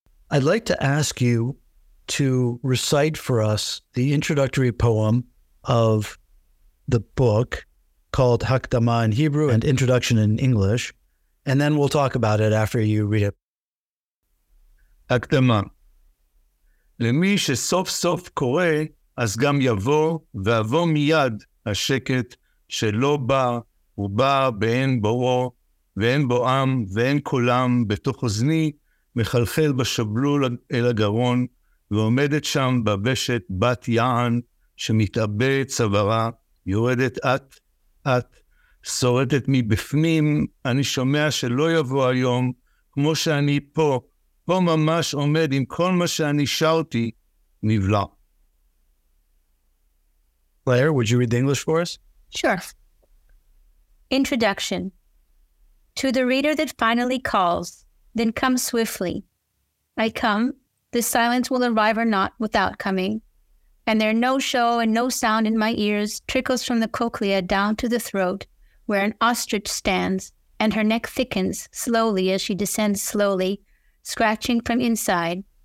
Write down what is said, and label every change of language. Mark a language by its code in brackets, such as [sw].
[en] I'd like to ask you to recite for us the introductory poem of the book called Hakdama in Hebrew and Introduction in English, and then we'll talk about it after you read it. Hakdama. [he] למי שסוף סוף קורא, אז גם יבוא ואבוא מיד השקט שלא בא ובא באין בואו ואין בו עם ואין קולם בתוך אוזני מחלחל בשבלול אל הגרון ועומדת שם בבשת בת יען שמתאבה צברה, יורדת את, את, שורטת מבפנים, אני שומע שלא יבוא היום, כמו שאני פה, פה ממש עומד עם כל מה שאני שאותי נבלע. [en] Claire, would you read the English for us? Sure. Introduction. To the reader that finally calls, then come swiftly. I come, the silence will arrive or not without coming, and there no show and no sound in my ears trickles from the cochlea down to the throat, where an ostrich stands, and her neck thickens slowly as she descends slowly, scratching from inside.